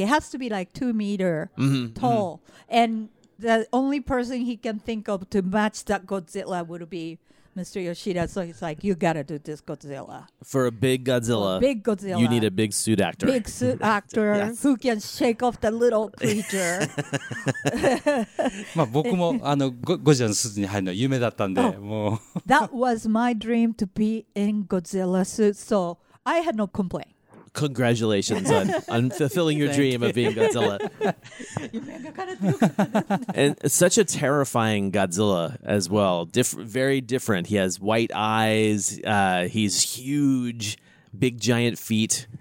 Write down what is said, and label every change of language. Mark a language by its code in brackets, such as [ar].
[en] It has to be like 2 meters tall. Mm-hmm. And the only person he can think of to match that Godzilla would be Mr. Yoshida. So he's like, you gotta do this Godzilla. For a big Godzilla. Big Godzilla. You need a big suit actor. Big suit actor who can shake off the little creature. [ja] まあ僕もあのゴジラのスーツに入るの夢だったんで、もう。 [en] That was my dream to be in Godzilla suit. So I had no complaint. Congratulations on fulfilling your dream of being Godzilla. And such a terrifying Godzilla as well. Very different. He has white eyes. He's huge, big giant feet.